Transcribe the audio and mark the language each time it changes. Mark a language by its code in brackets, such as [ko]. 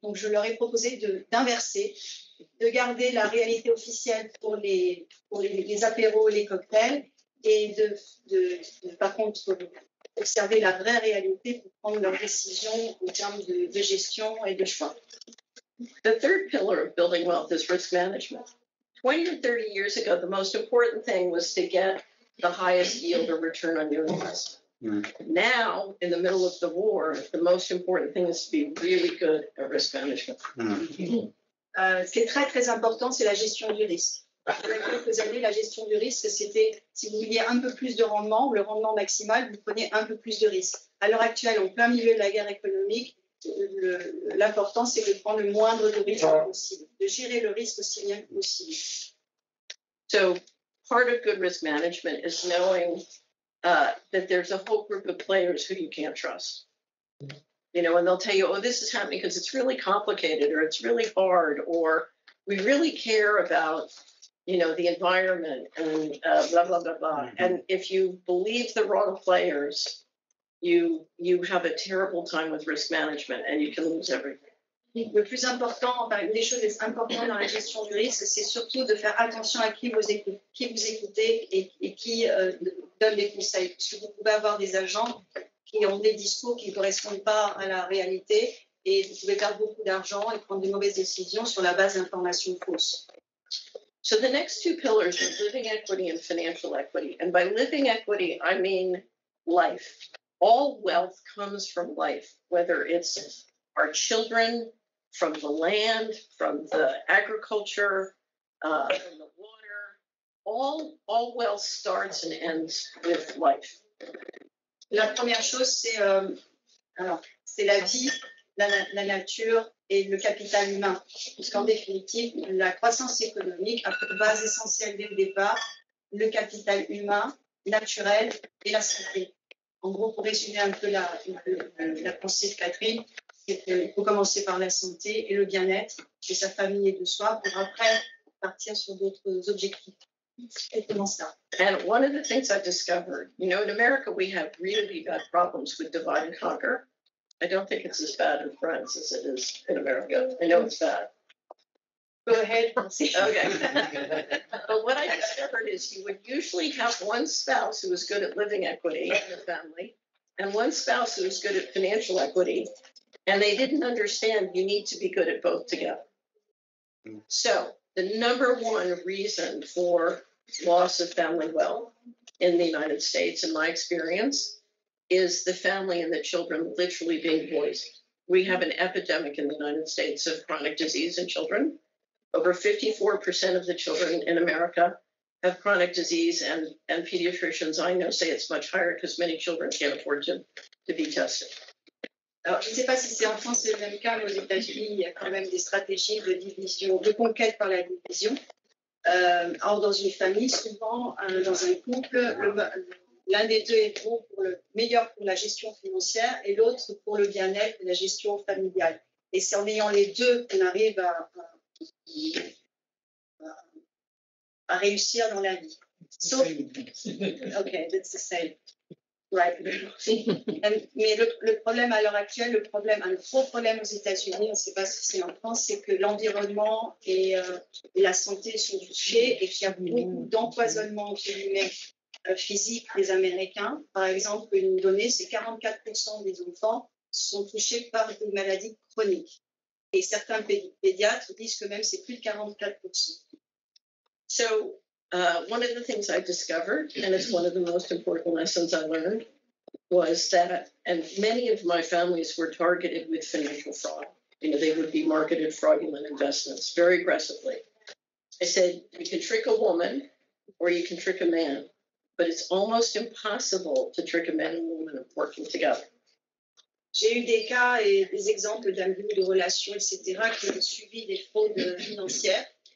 [fr] Donc, je leur ai proposé d'inverser, de garder la réalité officielle pour les apéros et les cocktails, et de par contre, observer la vraie réalité pour prendre leurs décisions en termes de gestion et de choix. [en] The third pillar of building wealth is risk management. 20 or 30 years ago, the most important thing was to get the highest yield or return on your investment. Now, in the middle of the war, the most important thing is to be really good at risk management. [fr] Ce qui est très, très important, c'est la gestion du risque. Il y a quelques années, la gestion du risque, c'était si vous vouliez un peu plus de rendement, le rendement maximal, vous prenez un peu plus de risque. À l'heure actuelle, en plein milieu de la guerre économique, l'important, c'est de prendre le moindre de risque possible, de gérer le risque aussi bien que possible. [en] So, part of good risk management is knowing that there's a whole group of players who you can't trust. You know, and they'll tell you, oh, this is happening because it's really complicated or it's really hard or we really care about, you know, the environment and blah, blah, blah, blah. Mm-hmm. And if you believe the wrong players, you have a terrible time with risk management and you can lose everything. [fr] le plus important, enfin, une des choses importantes dans la gestion du risque, c'est surtout de faire attention à qui vous écoutez et qui donne des conseils. Parce que vous pouvez avoir des agents qui ont des discours qui ne correspondent pas à la réalité et vous pouvez perdre beaucoup d'argent et prendre des mauvaises décisions sur la base d'informations fausses. [en] So the next two pillars are living equity and financial equity. And by living equity, I mean life. All wealth comes from life, whether it's our children, from the land, from the agriculture, from the water. All wealth starts and ends with life. [fr] La première chose, c'est la vie, la nature et le capital humain. Parce qu'en définitive, la croissance économique a pour base essentielle dès le départ le capital humain, naturel et la santé. En gros, pour résumer un peu la pensée de Catherine, c'est qu'il faut commencer par la santé et le bien-être de sa famille et de soi pour après partir sur d'autres objectifs. Et comment ça? [en] And one of the things I've discovered, you know, in America, we have really bad problems with divide and conquer. I don't think it's as bad in France as it is in America. I know it's bad. Go ahead. Okay. But what I discovered is you would usually have one spouse who was good at living equity in the family and one spouse who was good at financial equity, and they didn't understand you need to be good at both together. So the number one reason for loss of family wealth in the United States, in my experience, is the family and the children literally being poisoned. We have an epidemic in the United States of chronic disease in children. Over 54% of the children in America have chronic disease, and pediatricians I know say it's much higher because many children can't afford to be tested. [fr] Alors, je ne sais pas si c'est en France le même cas, mais aux États-Unis, il y a quand même des stratégies de division, de conquête par la division. Or, dans une famille, souvent, dans un couple, l'un des deux est bon pour le meilleur pour la gestion financière et l'autre pour le bien-être et la gestion familiale. Et c'est en ayant les deux qu'on arrive à réussir dans la vie. [en] So, OK, that's the same. Right. [fr] Mais le problème à l'heure actuelle, un gros problème aux États-Unis, on ne sait pas si c'est en France, c'est que l'environnement et la santé sont touchés et qu'il y a beaucoup d'empoisonnement physique des Américains. Par exemple, une donnée, c'est 44% des enfants sont touchés par des maladies chroniques. Et certains pédiatres disent que même c'est plus de 44%. [en] So, one of the things I discovered, and it's one of the most important lessons I learned, was that, and many of my families were targeted with financial fraud. You know, they would be marketed fraudulent investments very aggressively. I said, you can trick a woman or you can trick a man, but it's almost impossible to trick a man and a woman working together. [fr] J'ai eu des cas et des exemples d'abus de relations, etc., qui ont subi des fraudes financières.